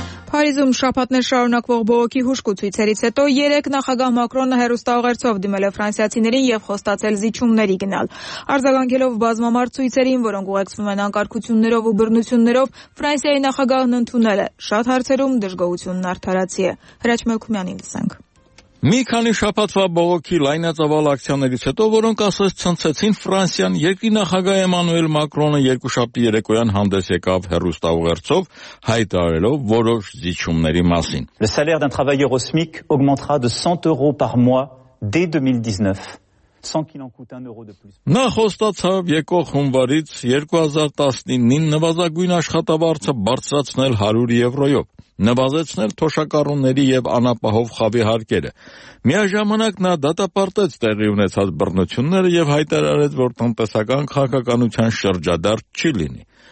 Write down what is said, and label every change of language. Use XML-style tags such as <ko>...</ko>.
<hy>Փարիզում շաբաթներ շարունակվող բողոքի հուշկու ցույցերից հետո երեք նախագահ Մակրոնը հեռուստաուղերձով դիմել է ֆրանսիացիներին և խոստացել զիջումների գնալ։ Արձագանքելով բազմամարդ ցույցերին, որոնք ուղեկցվում են անկարգություններով ու բռնություններով, Ֆրանսիայի նախագահն ընդունել է շատ հարցերում դժգոհությունն արդարացի է։ Հրաչ Մելքումյանին լսենք։ Մի քանի շաբաթվա բողոքի լայնածավալ ակցիաներից հետո, որոնք ասես ցնցեցին Ֆրանսիան, երկրի նախագահ Էմանուել Մակրոնը երկու շաբաթի երեկոյան հանդես եկավ հեռուստաուղերձով, հայտարարելով որոշ զիջումների մասին։</hy> <fr>Le salaire d'un travailleur au SMIC augmentera de 100 euros par mois dès 2019.</fr> <hy>Նա խոստացավ եկող հունվարից 2019-ին նվազագույն աշխատավարձը բարձրացնել 100 եվրոյով, նվազեցնել թոշակառուների և անապահով խավի հարկերը։ Միաժամանակ նա դատապարտեց տեղի ունեցած բռնությունները և հայտարարեց, որ տնտեսական քաղաքականության շրջադարձ չի լինի։</hy>